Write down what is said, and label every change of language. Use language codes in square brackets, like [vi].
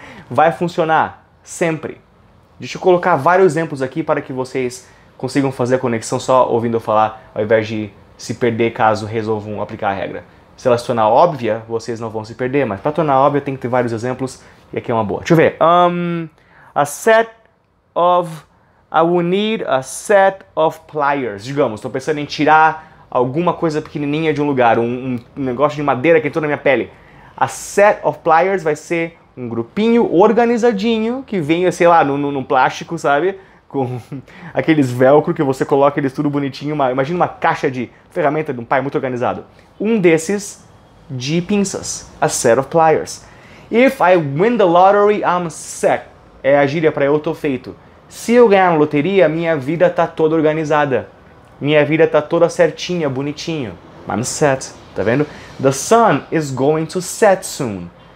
[pt] Vai funcionar sempre. Deixa eu colocar vários exemplos aqui para que vocês consigam fazer a conexão só ouvindo eu falar, ao invés de se perder caso resolvam aplicar a regra. Se ela se tornar óbvia, vocês não vão se perder, mas para tornar óbvia tem que ter vários exemplos e aqui é uma boa. Deixa eu ver. [en] I will need a set of pliers. [pt] Digamos, estou pensando em tirar alguma coisa pequenininha de um lugar, um negócio de madeira que entrou na minha pele. A set of pliers vai ser um grupinho organizadinho que venha, sei lá, num plástico, sabe? Com aqueles velcro que você coloca eles tudo bonitinho. Imagina uma caixa de ferramenta de um pai muito organizado. Um desses de pinças. [en] A set of pliers. If I win the lottery, I'm set. [pt] É a gíria para eu tô feito. Se eu ganhar na loteria, minha vida tá toda organizada. Minha vida tá toda certinha, bonitinho. [en] I'm set. [pt] Tá vendo? [en] The sun is going to set soon.